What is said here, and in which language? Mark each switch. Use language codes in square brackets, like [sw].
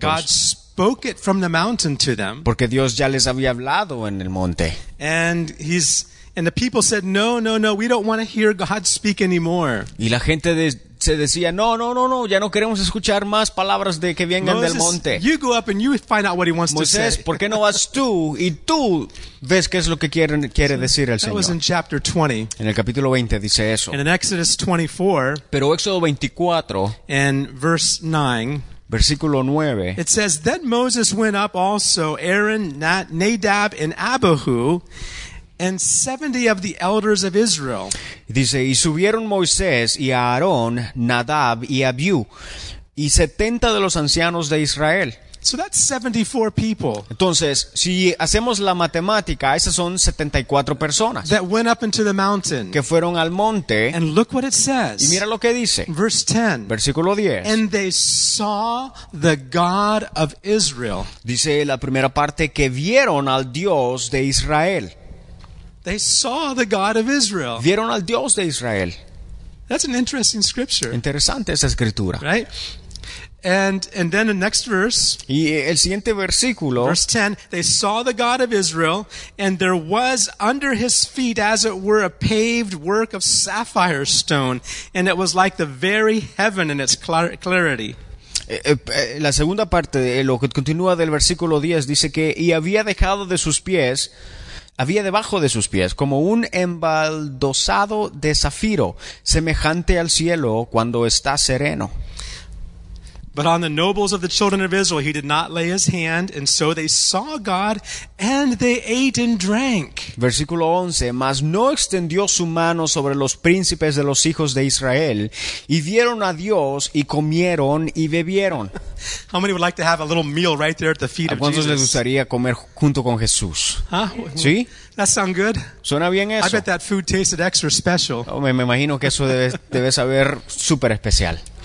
[en] God spoke it from the mountain to them. [es] Porque Dios ya les había hablado en el monte. [en] And the people said, no, we don't want to hear God speak anymore. [es] Y la gente se decía, no, ya no queremos escuchar más palabras de que vengan [en] Moses, [es] del monte. [en] You go up and you find out what he wants [es] Moisés, [en] to say. [es] ¿Por qué no vas tú y tú ves qué es lo que quiere decir el Señor? [en] That was in chapter 20. [es] En el capítulo 20 dice eso. [en] And in Exodus 24, [es] pero Éxodo 24, [en] and verse 9, [es] Versículo 9. [en] It says, then Moses went up also, Aaron, Nadab, and Abihu, and 70 of the elders of Israel. [es] Dice, y subieron Moisés y Aarón, Nadab y Abihu, y 70 de los ancianos de Israel. [en] So that's 74 people. [es] Entonces, si hacemos la matemática, esas son 74 personas. [en] That went up into the mountain. [es] Que fueron al monte. [en] And look what it says. [es] Y mira lo que dice. [en] Verse 10. [es] Versículo 10. [en] And they saw the God of Israel. [es] Dice la primera parte que vieron al Dios de Israel. [en] They saw the God of Israel. [es] Vieron al Dios de Israel. [en] That's an interesting scripture. [es] Interesante esa escritura. [en] Right? And then the next verse. [es] Y el siguiente versículo. [en] Verse 10. They saw the God of Israel, and there was under his feet, as it were, a paved work of sapphire stone, and it was like the very heaven in its clarity. [es] La segunda parte, lo que continúa del versículo 10, dice que y había dejado de sus pies, había debajo de sus pies como un embaldosado de zafiro, semejante al cielo cuando está sereno. [en] But on the nobles of the children of Israel, he did not lay his hand, and so they saw God, and they ate and drank. [es] Versículo 11, mas no extendió su mano sobre los príncipes de los hijos de Israel, y vieron a Dios, y comieron, y bebieron. [en] How many would like to have a little meal right there at the feet of Jesus? [es] ¿A cuántos les gustaría comer junto con Jesús? [en] Huh? [es] ¿Sí? [en] That sound good? [es] ¿Suena bien eso? [en] I bet that food tasted extra special. [es] Oh, me imagino que eso debe saber súper especial.